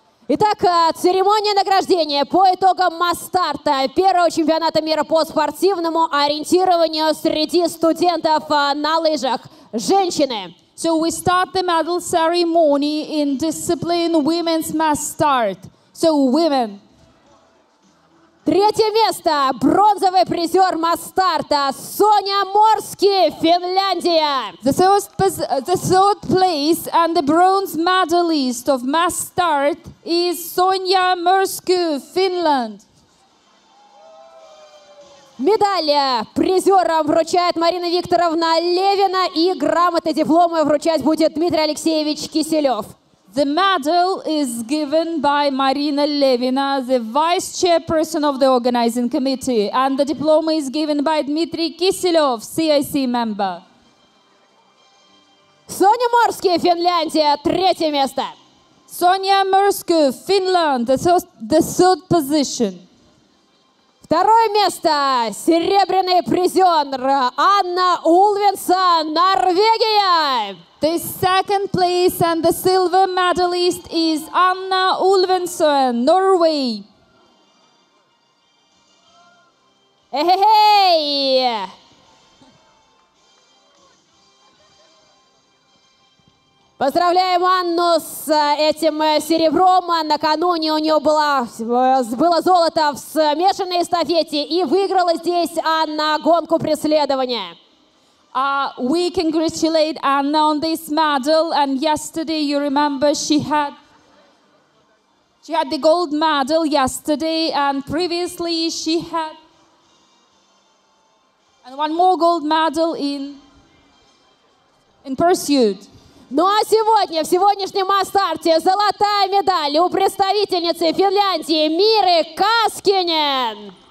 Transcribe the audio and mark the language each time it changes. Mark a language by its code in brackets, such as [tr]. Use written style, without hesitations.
[ru] Итак, церемония награждения по итогам масс-старта первого чемпионата мира по спортивному ориентированию среди студентов на лыжах. Женщины. [en] So we start the medal ceremony in discipline women's mass start. So women. [ru] Третье место. Бронзовый призер масс-старта. Соня Морски, Финляндия. [en] The third place and the bronze medalist of mass start is Sonia Morsky, Finland. [ru] Медаль призерам вручает Марина Викторовна Левина, и грамоты, дипломы вручать будет Дмитрий Алексеевич Киселев. [en] The medal is given by Marina Levina, the vice chairperson of the organizing committee, and the diploma is given by Dmitry Kiselyov, CIC member. [ru] Sonia Morsky, Финляндия, третье место. [en] Sonia Morsky, Finland, the third position. [ru] Второе место, серебряный призер Анна Ульвенса, Норвегия. [en] The second place and the silver medalist is Anna Ulvensson, Norway. Hey! [ru] Поздравляем Анну с этим серебром. Накануне у нее было золото в смешанной эстафете, и выиграла здесь Анна гонку преследования. [en] We congratulate Anna on this medal, and yesterday, you remember, she had the gold medal yesterday, and previously she had and one more gold medal in pursuit. [ru] Ну а сегодня, в сегодняшнем масс-старте, золотая медаль у представительницы Финляндии Миры Каскинен.